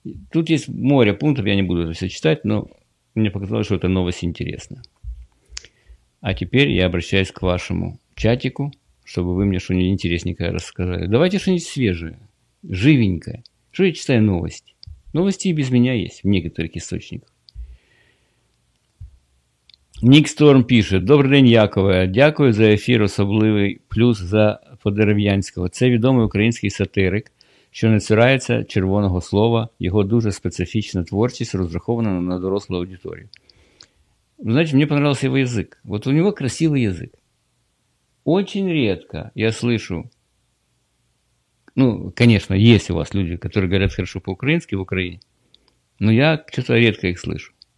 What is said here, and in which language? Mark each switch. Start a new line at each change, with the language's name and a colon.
Russian: Тут есть море пунктов, я не буду это все читать, но мне показалось, что эта новость интересна. А теперь я обращаюсь к вашему чатику, чтобы вы мне что-нибудь интересненькое рассказали. Давайте что-нибудь свежее, живенькое. Что я читаю новости? Новости и без меня есть в некоторых источниках. Ник Сторм пишет. Добрый день, Якове.
Ukrainian: Дякую за ефір особливий, плюс за Подерев'янського. Це відомий український сатирик, що не цурається червоного слова. Його дуже специфічна творчість розрахована на дорослу аудиторію.
Russian: Знаете, мне понравился его язык. Вот у него красивый язык. Очень редко я слышу, ну, конечно, есть у вас люди, которые говорят хорошо по-украински в Украине, но я что-то редко их слышу.